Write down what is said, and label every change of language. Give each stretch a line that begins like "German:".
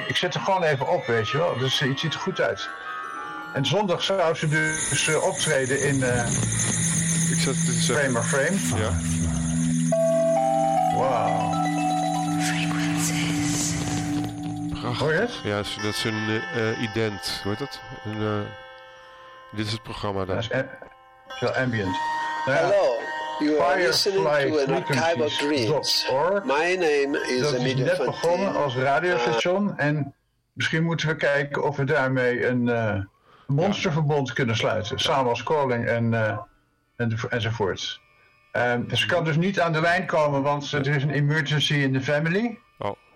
Dutch: Ik zet er gewoon even op, weet je wel. Dus het ziet er goed uit. En zondag zou ze dus optreden in Frame of Frame. Ja. Wow. Hoor je het? Ja, dat is een ident. Hoe heet dat? Dit is het programma daar. Dat is wel ambient. Nou ja. Hallo.
English: You are listening to an archive of dreams. My name is Emilio Fantin.
Dutch: Dat is net begonnen als radiostation. En misschien moeten we kijken of we daarmee een monsterverbond kunnen sluiten. Samen als Calling enzovoort. Ze kan dus niet aan de lijn komen, want er is een
English: emergency in the family.
Dutch: Oh.